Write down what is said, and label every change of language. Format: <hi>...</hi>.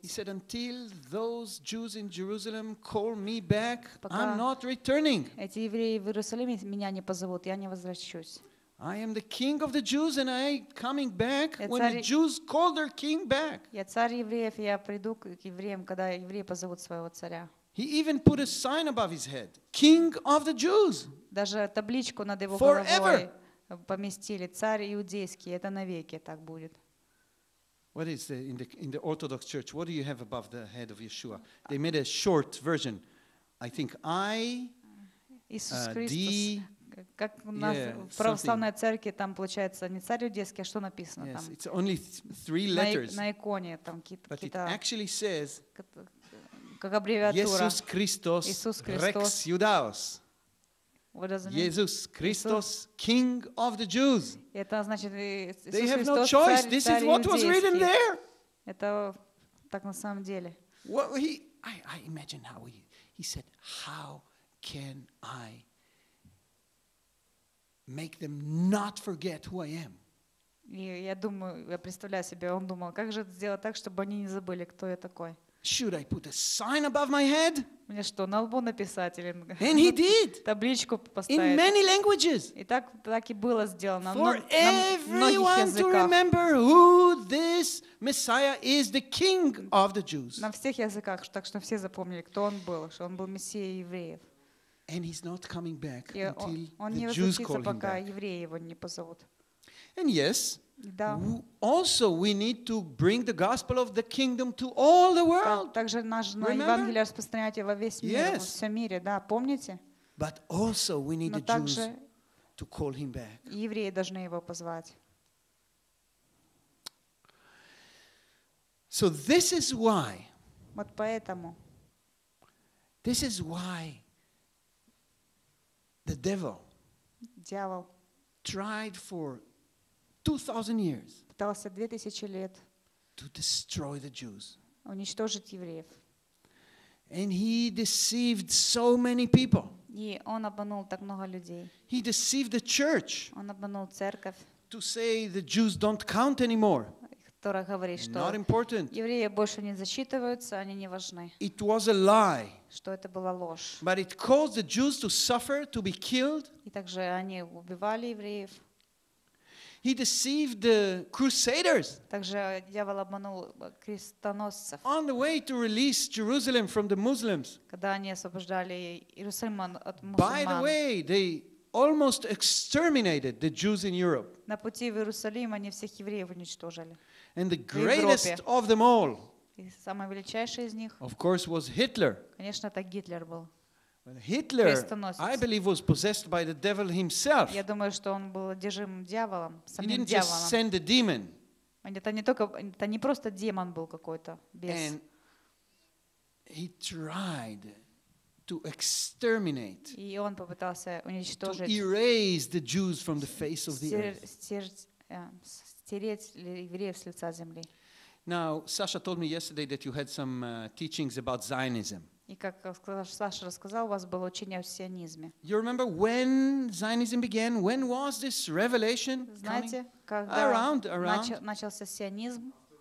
<en>He said, until those Jews in Jerusalem call me back, I'm not returning.</en> <ru>Эти евреи в Иерусалиме меня не позовут, я не возвращусь.</ru> <en>I am the king of the Jews and I coming back when the Jews call their king back.</en> <ru>Я царь евреев, я приду к евреям, когда евреи позовут своего царя.</ru> <en>He even put a sign above his head, King of the Jews.</en> <ru>Даже табличку над его головой поместили, царь иудейский. Это навеки так будет.</ru> <en>What is the, in the Orthodox Church? What do you have above the head of Yeshua? They made a short version. I think I.</en> <ru>Иисус Христос. Как у нас в православной церкви там получается не царь иудейский, а что написано там?</ru> <en>Yes, it's only three letters.</en> <ru>На иконе там какие-то.</ru> <en>But it actually says.</en> <ru>Как аббревиатура. Иисус Христос,</ru> <la>Рекс Юдаос.</la> <ru>Иисус Христос,</ru> <en>King of the Jews.</en> <ru>Это значит,</ru> <en>They have no choice. This is what was written there.</en> <ru>Это так на самом деле.</ru> <en>Well, I imagine how he said, how can I make them not forget who I am?</en> <ru>И я думаю, я представляю себе, он думал, как же сделать так, чтобы они не забыли, кто я такой.</ru> <en>Should I put a sign above my head?</en> <ru>Мне что, на лбу написать или?</ru> <en>And he did.</en> <ru>Табличку поставить.</ru> <en>In many languages.</en> <ru>И так и было сделано.</ru> <en>For everyone to remember who this Messiah is, the King of the Jews.</en> <ru>На всех языках, так что все запомнили, кто он был, что он был мессия евреев.</ru> <en>And he's not coming back until the Jews call him back.</en> <ru>Он не возвратится, пока евреи его не позовут.</ru> <en>And yes. Also, we need to bring the gospel of the kingdom to all the world.</en> <ru>Также нужно Евангелие распространять во весь мир,</ru> <en>yes.</en> <ru>Во всем мире, да, помните?</ru> <en>But also, we need the Jews to call him back.</en> <ru>Евреи должны его позвать.</ru> <en>So this is why.</en> <ru>Вот поэтому.</ru> <en>This is why the devil.</en> <ru>Дьявол.</ru> <en>Tried for 2,000 years.</en> <ru>Пытался 2000 лет.</ru> <en>To destroy the Jews.</en> <ru>Уничтожить евреев.</ru> <en>And he deceived so many people.</en> <ru>И он обманул так много людей.</ru> <en>He deceived the church.</en> <ru>Он обманул церковь.</ru> <en>To say the Jews don't count anymore.</en> <ru>Которая говорит, что</ru> <en>not important.</en> <ru>Евреи больше не засчитываются, они не важны.</ru> <en>It was a lie.</en> <ru>Что это была ложь.</ru> <en>But it caused the Jews to suffer, to be killed.</en> <ru>И также они убивали евреев.</ru> <en>He deceived the crusaders.</en> <ru>Также дьявол обманул крестоносцев.</ru> <en>On the way to release Jerusalem from the Muslims.</en> <ru>Когда они освобождали Иерусалим от мусульман.</ru> <en>By the way, they almost exterminated the Jews in Europe.</en> <ru>На пути в Иерусалим они всех евреев уничтожили.</ru> <en>And the greatest of them all.</en> <ru>И самый величайший из них.</ru> <en>Of course, was Hitler.</en> <ru>Конечно, это Гитлер был.</ru> <en>Hitler, I believe, was possessed by the devil himself.</en> <ru>Я думаю, что он был одержим дьяволом, самим дьяволом.</ru> <en>He didn't just send a demon.</en> <ru>Это не просто демон был какой-то, бес.</ru> <en>And he tried to exterminate.</en> <ru>И он попытался уничтожить.</ru> <en>To erase the Jews from the face of the earth.</en> <ru>стереть евреев с лица земли.</ru> <en>Now, Sasha told me yesterday that you had some teachings about Zionism.</en> <ru>И как Саша рассказал, у вас было учение о сионизме.</ru> <en>You remember when Zionism began? When was this revelation coming?</en> <ru>Знаете, когда начался сионизм?</ru>